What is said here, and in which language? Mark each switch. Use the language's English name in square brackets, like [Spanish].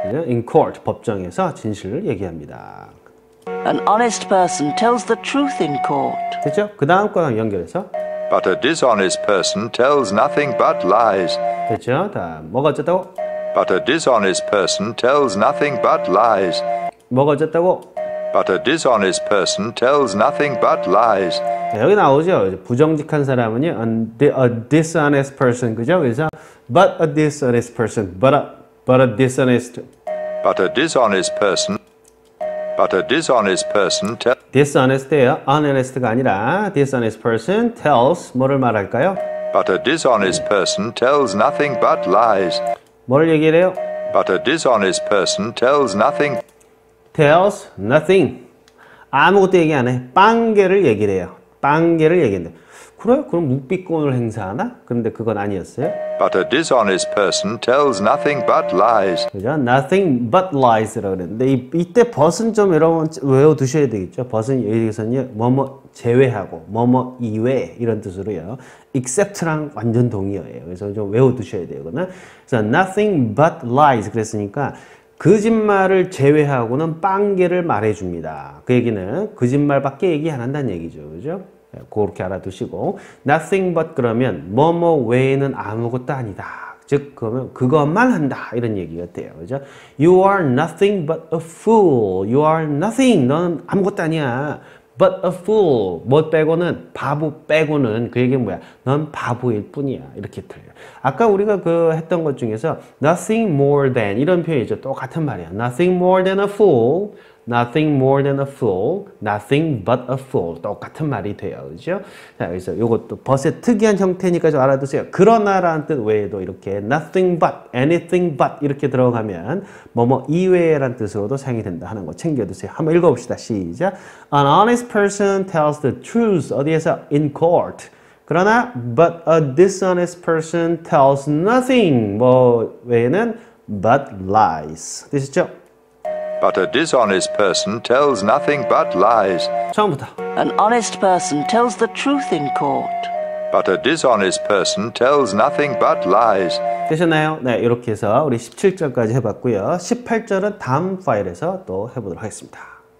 [English] In court, [Korean] 법정에서 진실을 얘기합니다. [English] An honest person tells the truth in court. [Korean] 됐죠? 그 다음 거랑 연결해서 [English] But a dishonest person tells nothing but lies. [Korean] 됐죠? 다 뭐가 어쨌다고? [English] But a dishonest person tells nothing but lies. [Korean] 뭐가 어쨌다고? [English] But a dishonest person tells nothing but lies. [Korean] 네, 여기 나오죠. 부정직한 사람은요. [English] A dishonest person. [Korean] 그죠? 그래서 [English] But a dishonest person. But a dishonest. But a dishonest person. But a dishonest person. [Korean] Dishonest예요. Honest가 아니라 [English] dishonest person tells [Korean] 뭐를 말할까요? [English] But a dishonest person tells nothing but lies. [Korean] 뭐를 얘기해요? [English] But a dishonest person tells nothing. Tells nothing. [Korean] 아무것도 얘기 안 해. 빵개를 얘기해요. 빵개를 얘기한다. 그래? 그럼 묵비권을 행사하나? 그런데 그건 아니었어요. [English] But a dishonest person tells nothing but lies. [Korean] 그죠? [English] Nothing but lies [Korean] 라고 그랬는데 이때 but은 좀 여러분 외워두셔야 되겠죠. but은 여기서는 뭐뭐 제외하고 뭐뭐 이외 이런 뜻으로요. except랑 완전 동의어예요. 그래서 좀 외워두셔야 돼요. 그래서 [English] nothing but lies [Korean] 그랬으니까 거짓말을 제외하고는 빵개를 말해줍니다. 그 얘기는 거짓말밖에 얘기 안 한다는 얘기죠. 그죠? 그렇게 알아두시고 [English] nothing but [Korean] 그러면 뭐뭐 외에는 아무것도 아니다. 즉 그러면 그것만 한다 이런 얘기였대요. 그죠? [English] You are nothing but a fool. You are nothing. [Korean] 너는 아무것도 아니야. [English] But a fool. [Korean] 뭐 빼고는 바보 빼고는 그 얘기는 뭐야? 넌 바보일 뿐이야. 이렇게 틀려. 아까 우리가 그 했던 것 중에서 [English] nothing more than [Korean] 이런 표현이죠. 똑같은 말이야. [English] Nothing more than a fool. Nothing more than a fool. Nothing but a fool. [Korean] 똑같은 말이 돼요. 그죠? 자, 여기서 이것도 but의 특이한 형태니까 좀 알아두세요. 그러나라는 뜻 외에도 이렇게 [English] nothing but, anything but [Korean] 이렇게 들어가면 뭐뭐 이외라는 뜻으로도 사용이 된다 하는 거 챙겨두세요. 한번 읽어봅시다. 시작. [English] An honest person tells the truth. [Korean] 어디에서? [English] In court. [Korean] 그러나 [English] but a dishonest person tells nothing. [Korean] 뭐 외에는 [English] but lies. [Korean] 되셨죠? [English] But a dishonest person tells nothing but lies. [Korean] 처음부터. [English] An honest person tells the truth in court. But a dishonest person tells nothing but lies. [Korean] 되셨나요? 네, 이렇게 해서 우리 17절까지 해봤고요. 18절은 다음 파일에서 또 해보도록 하겠습니다.